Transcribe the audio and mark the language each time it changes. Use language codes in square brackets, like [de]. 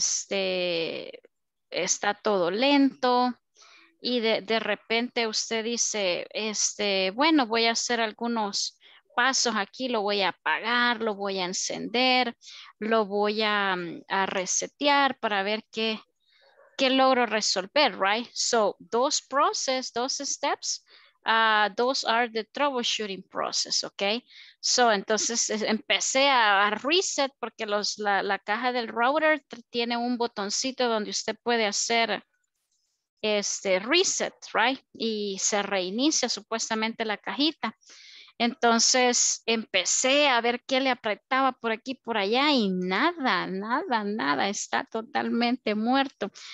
[es] Está todo lento. Y de repente usted dice, bueno, voy a hacer algunos pasos aquí, lo voy a apagar, lo voy a encender, lo voy a resetear para ver qué logro resolver, right? [en] So, those process, those steps, those are the troubleshooting process, okay? [es] So, entonces empecé a reset porque la caja del router tiene un botoncito donde usted puede hacer reset, right? Y se reinicia supuestamente la cajita. Entonces empecé a ver qué le apretaba por aquí, por allá y nada, nada, nada, está totalmente muerto.